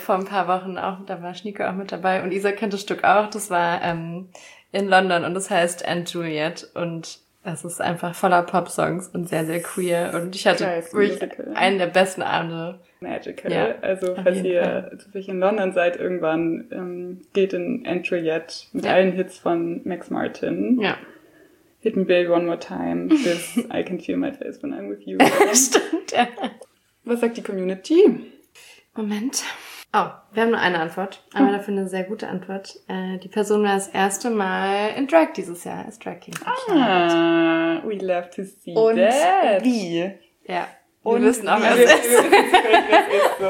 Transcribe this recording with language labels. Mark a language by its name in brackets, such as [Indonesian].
[German] Vor ein paar Wochen auch, da war Schnieke auch mit dabei und Isa kennt das Stück auch, das war, in London und das heißt And Juliet und das ist einfach voller Pop-Songs und sehr, sehr queer. Und ich hatte wirklich einen der besten Abende. [English] Magical. [German] Ja, also, falls ihr zufällig in London seid, irgendwann geht in And Juliet mit allen Hits von Max Martin. Ja. [English] Hit me baby one more time, this I can feel my face when I'm with you. [German] Stimmt, ja. Was sagt die Community? Moment. Oh, wir haben nur eine Antwort. Aber dafür eine sehr gute Antwort. Die Person war das erste Mal in Drag dieses Jahr, als Drag King. [English] Ah, we love to see [German] und [English] that. [German] Und wie? Ja, und wir wissen auch, wer es ist. Das ist so.